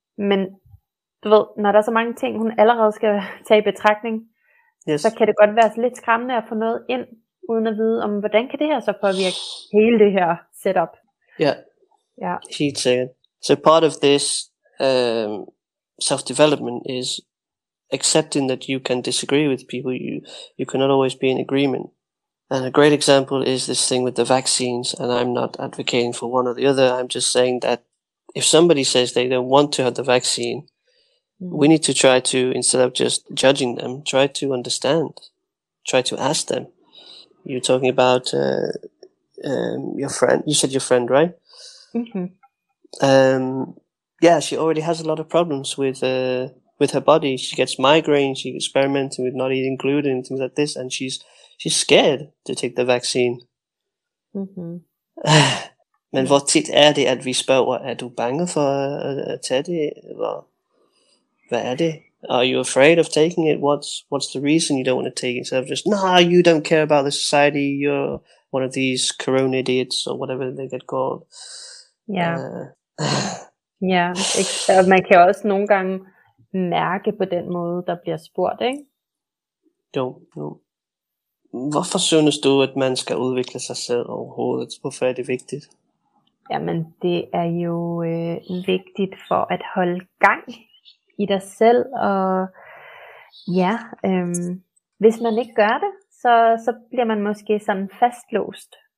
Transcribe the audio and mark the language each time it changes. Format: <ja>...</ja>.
<da>Men du ved, når der er så mange ting, hun allerede skal tage i betragtning,</da> <en>yes.</en> <da>Så kan det godt være lidt skræmmende at få noget ind, uden at vide, om hvordan kan det her så påvirke hele det her setup. Ja,</da> <en>yeah.</en> <da>Helt sikkert.</da> <en>So part of this self-development is accepting that you can disagree with people, you cannot always be in agreement. And a great example is this thing with the vaccines, and I'm not advocating for one or the other, I'm just saying that if somebody says they don't want to have the vaccine, we need to try to, instead of just judging them, try to understand, try to ask them. You're talking about your friend. You said your friend, right? Mm-hmm. Yeah, she already has a lot of problems with her body. She gets migraines. She's experimenting with not eating gluten and things like this, and she's scared to take the vaccine. Mm-hmm.</en> <da>Men hvor tit er det, at vi spørger, er du bange for at tage det? Eller, hvad er det?</da> <en>Are you afraid of taking it? What's the reason you don't want to take it? Instead of just, nah, you don't care about the society. You're one of these corona idiots, or whatever they get called.</en> <da>Ja. Ja, og man kan også nogle gange mærke på den måde, der bliver spurgt, ikke? Jo. Hvorfor synes du, at man skal udvikle sig selv overhovedet? Hvorfor er det vigtigt? Jamen, det er jo vigtigt for at holde gang i dig selv, og ja, hvis man ikke gør det, så bliver man måske sådan fastlåst,</da>